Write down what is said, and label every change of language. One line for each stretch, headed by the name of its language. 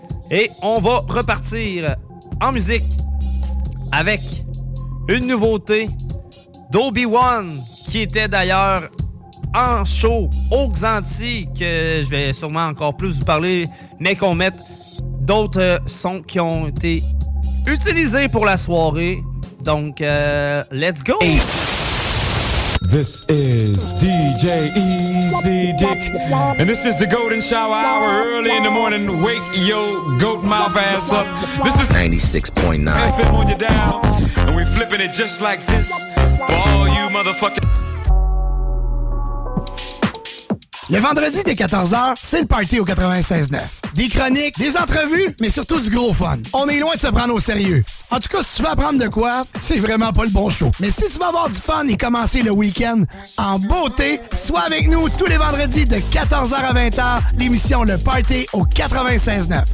French: Et on va repartir en musique avec une nouveauté d'Obi-Wan qui était d'ailleurs en show au Xanti, que je vais sûrement encore plus vous parler, mais qu'on mette d'autres sons qui ont été utilisés pour la soirée. Donc,
English: let's go! This is DJ Easy Dick, and this is the golden shower hour early in the morning. Wake your goat mouth ass up. This is 96.9 FM on your dial, and we're flipping it just like this for all you motherfuckers.
French: Le vendredi dès 14h, c'est le party au 96.9. Des chroniques, des entrevues, mais surtout du gros fun. On est loin de se prendre au sérieux. En tout cas, si tu veux apprendre de quoi, c'est vraiment pas le bon show. Mais si tu veux avoir du fun et commencer le week-end en beauté, sois avec nous tous les vendredis de 14h à 20h, l'émission Le Party au 96.9.